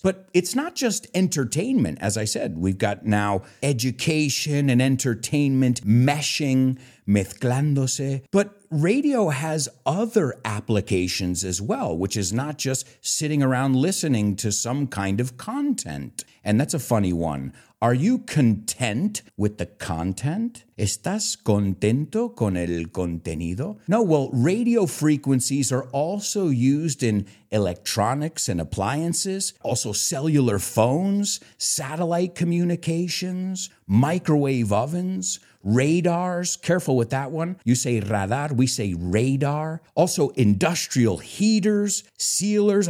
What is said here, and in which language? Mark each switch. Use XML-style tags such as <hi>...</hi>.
<en>But it's not just entertainment. As I said, we've got now education and entertainment meshing, mezclándose. But radio has other applications as well, which is not just sitting around listening to some kind of content. And that's a funny one. Are you content with the content?</en> <es>¿Estás contento con el contenido?</es> <en>No, well, radio frequencies are also used in electronics and appliances, also cellular phones, satellite communications, microwave ovens, radars. Careful with that one. You say radar, we say radar. Also industrial heaters, sealers.</en>